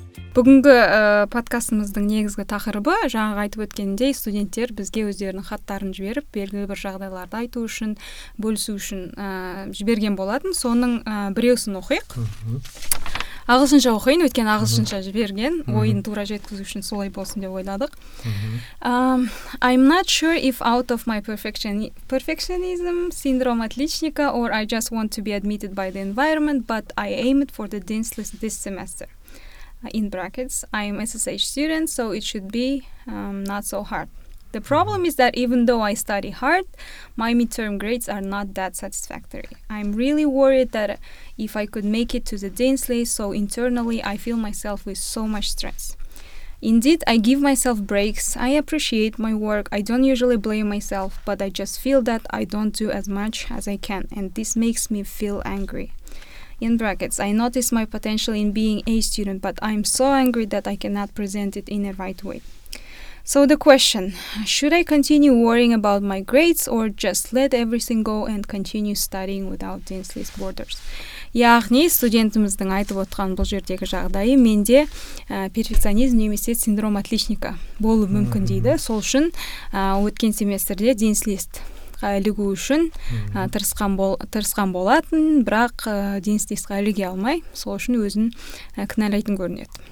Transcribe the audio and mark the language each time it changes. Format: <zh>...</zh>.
<kk>Бүгінгі подкастымыздың негізгі тақырыбы, жаңағы айтып өткендей, студенттер бізге өздерінің хаттарын жіберіп, белгілі бір жағдайларды айту үшін, бөлісу үшін жіберген болатын. Соның біреусін оқиық. Ағылшынша оқиын, өткен ағылшынша жіберген, ойын тура жеткізу үшін солай болсын деп ойладық.</kk> <en>I'm not sure if out of my perfectionism,</en> <ru>синдром отличника,</ru> <en>or I just want to be admitted by the environment, but I aim it for the dean's list this semester. In brackets, I am SSH student, so it should be not so hard. The problem is that even though I study hard, my midterm grades are not that satisfactory. I'm really worried that if I could make it to the dean's list, so internally I feel myself with so much stress. Indeed, I give myself breaks, I appreciate my work, I don't usually blame myself, but I just feel that I don't do as much as I can, and this makes me feel angry. In brackets, I notice my potential in being a student, but I'm so angry that I cannot present it in a right way. So the question, should I continue worrying about my grades or just let everything go and continue studying without dean's list borders?</en> <kk>Яғни студентіміздің айтып отқан бұл жердегі жағдайы, менде перфекционизм немесе</kk> <ru>синдром отличника</ru> <kk>болу мүмкін дейді. Сол үшін өткен семестрде dean's list ілігу үшін тырысқан болатын, бірақ dean's list-қа іліге алмай, сол үшін өзін кінәлайтын көрінеді.</kk>